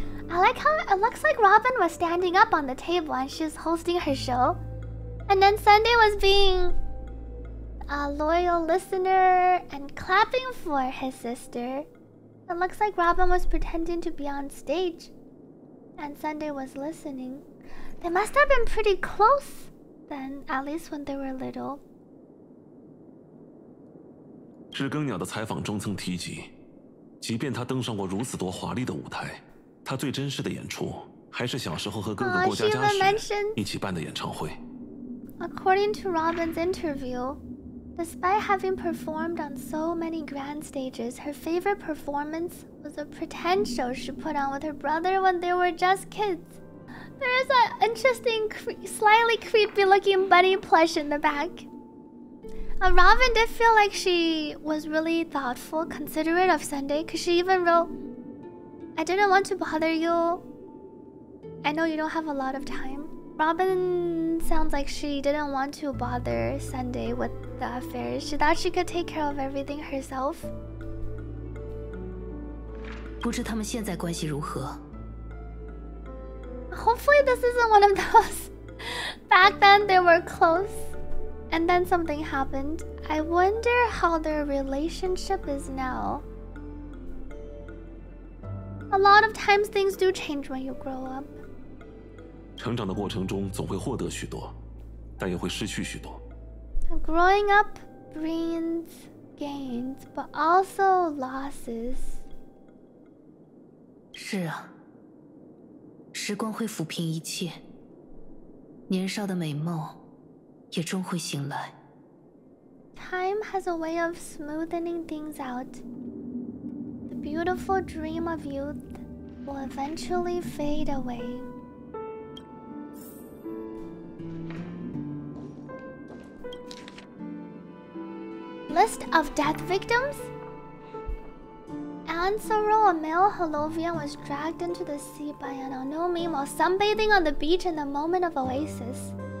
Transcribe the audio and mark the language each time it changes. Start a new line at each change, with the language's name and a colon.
English: I like how it looks like Robin was standing up on the table and she's hosting her show, and then Sunday was being a loyal listener and clapping for his sister. It looks like Robin was pretending to be on stage, and Sunday was listening. They must have been pretty close then, at least when they were little.
Chinese: 知更鸟的采访中曾提及，即便他登上过如此多华丽的舞台，他最真实的演出还是小时候和哥哥过家家时一起办的演唱会。
English: According to Robin's interview,Despite having performed on so many grand stages, her favorite performance was a pretend show she put on with her brother when they were just kids. There is an interesting, slightly creepy-looking bunny plush in the back. Robin did feel like she was really thoughtful, considerate of Sunday, because she even wrote, I didn't want to bother you. I know you don't have a lot of time. Robin sounds like she didn't want to bother Sunday with the affair. She thought she could take care of everything herself.
Chinese: 不知他们现在关系如何。
English: Hopefully this isn't one of those. Back then they were close. And then something happened. I wonder how their relationship is now. A lot of times things do change when you grow up.
Chinese: 成长的过程中总会获得许多，但也会失去许多。
English: Growing up brings gains, but also losses.
Chinese: 是啊，时光会抚平一切，年少的美梦也终会醒来。
English: Time has a way of smoothing things out. The beautiful dream of youth will eventually fade away. List of death victims? Ansaro, a male Holovian, was dragged into the sea by an Onomi while sunbathing on the beach in the moment of oasis.